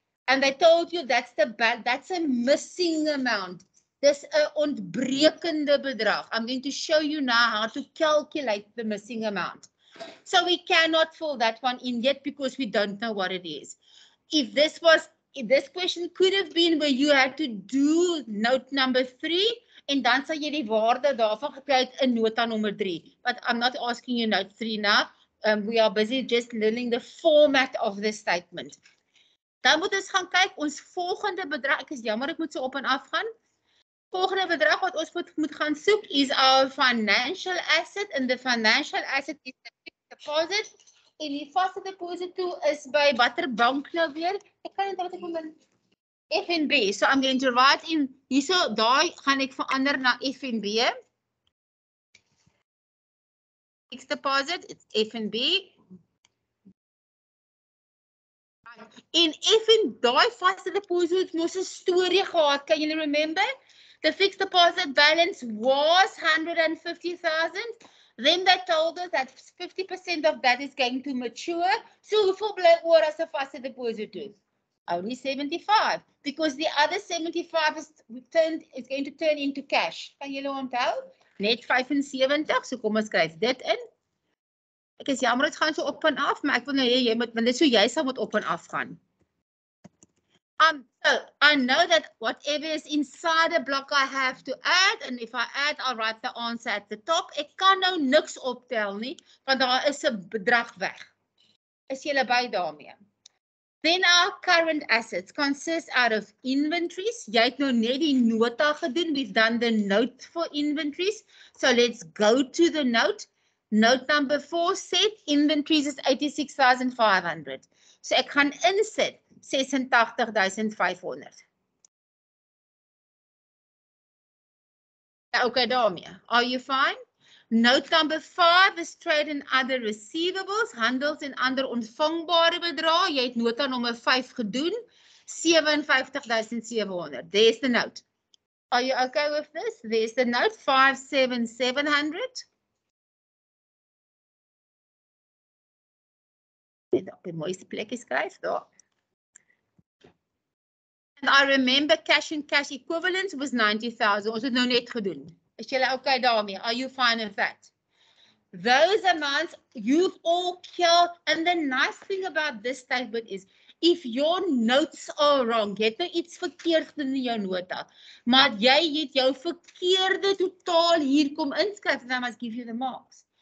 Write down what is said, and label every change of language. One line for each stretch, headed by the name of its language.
English: And they told you that's the that's a missing amount.
Afrikaans: Dis 'n ontbrekende bedrag.
English: I'm going to show you now how to calculate the missing amount. So we cannot fill that one in yet because we don't know what it is. If this question could have been where you had to do note number 3
Afrikaans: en dan sal jy die waarde daarvan gekry het in nota nommer 3.
English: But I'm not asking you note 3 now. We are busy just learning the format of the statement.
Afrikaans: Dan moet ons gaan kyk ons volgende bedrag. Ek is jammer ek moet so op en af gaan. Volgende bedrag wat ons moet gaan soek is
English: our financial asset. And the financial asset is the fixed deposit.
Afrikaans: En die vaste deposit toe is by watter bank nou weer? Ek kan nie dink wat ek moet FNB.
English: So I'm going to write in
Afrikaans: hierso daai gaan ek verander na FNB.
English: Fixed deposit, it's FNB.
Afrikaans: En FNB daai vaste deposit moes 'n storie gehad, kan julle remember?
English: The fixed deposit balance was 150,000. Then they told us that 50% of that is going to mature.
Afrikaans: So hoeveel bly oor as 'n vaste deposito?
English: Only 75. Because the other 75 is going to turn into cash.
Afrikaans: Kan julle onthou? Net 75, so kom ons skryf dit in. Ek is jammer dit gaan so op en af, maar ek wil nou hê jy moet, want dit is so jy sal moet op en af gaan.
English: I know that whatever is inside a block I have to add, and if I add, I'll write the answer at the top.
Afrikaans: Ek kan nou niks optel nie, want daar is 'n bedrag weg. Is julle by daarmee?
English: Then our current assets consist out of inventories.
Afrikaans: Jy het nou net die nota gedoen,
English: we've done the note for inventories. So let's go to the note. Note number 4 said inventories is 86,500.
Afrikaans: So ek gaan insit 86,500.
English: Okay, daarmee. Are you fine? Note number 5 is trade and other receivables.
Afrikaans: Handels en ander ontvangbare bedrae. Jy het nota nommer 5 gedoen.
English: 57,700. There's the note. Are you okay with this? There's the note. 57,700.
Afrikaans: Dit op die mooiste plekke skryf daar.
English: And I remember cash and cash equivalents was 90,000.
Afrikaans: Was it no net gedoen? Is jy okay daarmee?
English: Are you fine with that? Those amounts you've all killed. And the nice thing about this statement is, if your notes are wrong,
Afrikaans: jy het nou iets verkeerd in jou nota, maar jy het jou verkeerde totaal hier kom inskryf,
English: then I must give you the marks.